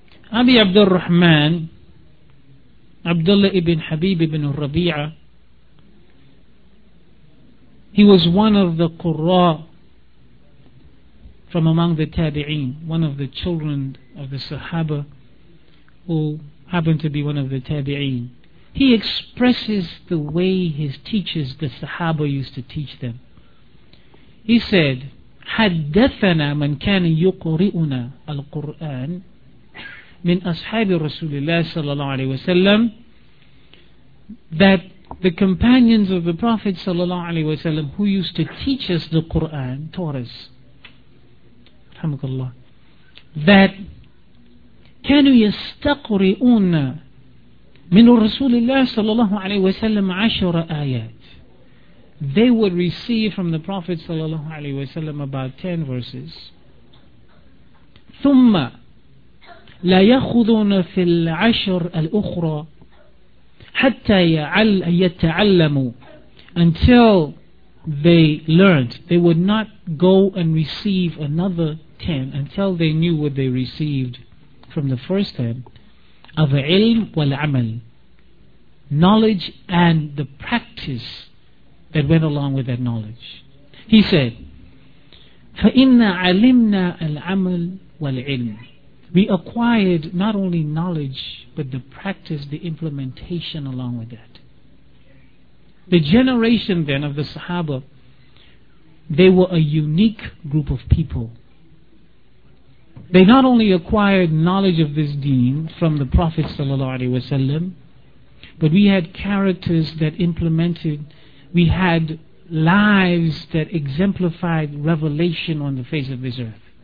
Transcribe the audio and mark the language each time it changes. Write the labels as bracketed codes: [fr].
[en] Abi Abdul Rahman, Abdullah ibn Habib ibn Rabi'a, he was one of the Qurra from among the Tabi'een, one of the children of the Sahaba who happened to be one of the Tabi'een. He expresses the way his teachers, the Sahaba, used to teach them. He said, [ar] حَدَّثَنَا مَنْ كَانَ يُقْرِئُنَا الْقُرْآنَ من أصحاب رسول الله صلى الله عليه وسلم [en] that the companions of the Prophet ﷺ, who used to teach us the Quran, taught us, alhamdulillah, that [ar] كانوا يستقرئون من رسول الله صلى الله عليه وسلم عشر آيات. [en] They would receive from the Prophet صلى الله عليه وسلم about 10 verses. [ar] ثم لا يأخذون في العشر الأخرى حتى يتعلموا, [en] until they learned. They would not go and receive another 10 until they knew what they received from the first 10 of ilm wal amal, knowledge and the practice that went along with that knowledge. He said, [ar] فَإِنَّ عَلِمْنَا الْعَمَلْ وَالْعِلْمِ. [en] We acquired not only knowledge, but the practice, the implementation along with that. The generation then of the Sahaba, they were a unique group of people. They not only acquired knowledge of this deen from the Prophet ﷺ, but we had characters that implemented, we had lives that exemplified revelation on the face of this earth.